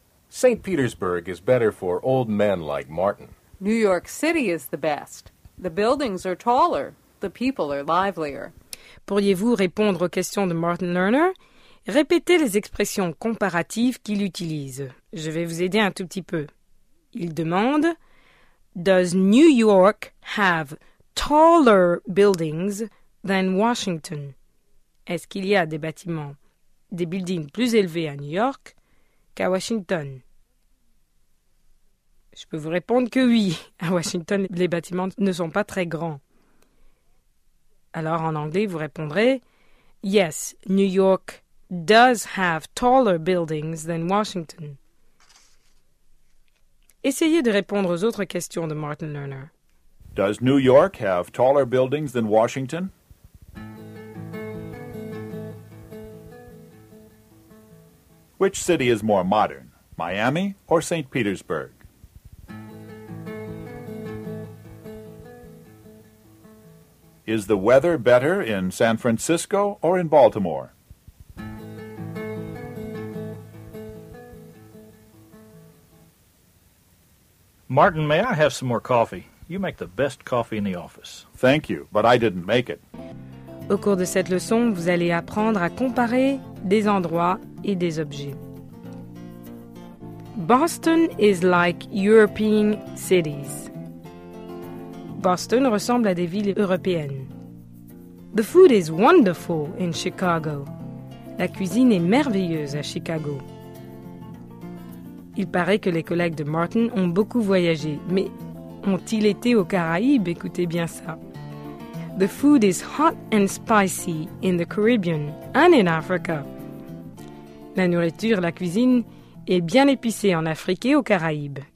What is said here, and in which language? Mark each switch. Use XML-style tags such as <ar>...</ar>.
<en>St. Petersburg is better for old men like Martin. New York City is the best. The buildings are taller. The people are livelier.</en> <fr>Pourriez-vous répondre aux questions de Martin Lerner? Répétez les expressions comparatives qu'il utilise. Je vais vous aider un tout petit peu. Il demande,</fr> <en>Does New York have taller buildings than Washington?</en> <fr>Est-ce qu'il y a des bâtiments, des buildings plus élevés à New York qu'à Washington? Je peux vous répondre que oui, à Washington, les bâtiments ne sont pas très grands. Alors en anglais, vous répondrez,</fr> <en>Yes, New York does have taller buildings than Washington.</en> <fr>Essayez de répondre aux autres questions de Martin Lerner.</fr> <en>Does New York have taller buildings than Washington? Which city is more modern, Miami or St. Petersburg? Is the weather better in San Francisco or in Baltimore? Martin, may I have some more coffee? You make the best coffee in the office. Thank you, but I didn't make it.</en> <fr>Au cours de cette leçon, vous allez apprendre à comparer des endroits et des objets.</fr> <en>Boston is like European cities.</en> <fr>Boston ressemble à des villes européennes.</fr> <en>The food is wonderful in Chicago.</en> <fr>La cuisine est merveilleuse à Chicago. Il paraît que les collègues de Martin ont beaucoup voyagé, mais ont-ils été aux Caraïbes? Écoutez bien ça.</fr> <en>The food is hot and spicy in the Caribbean and in Africa.</en> <fr>La nourriture, la cuisine, est bien épicée en Afrique et aux Caraïbes.</fr>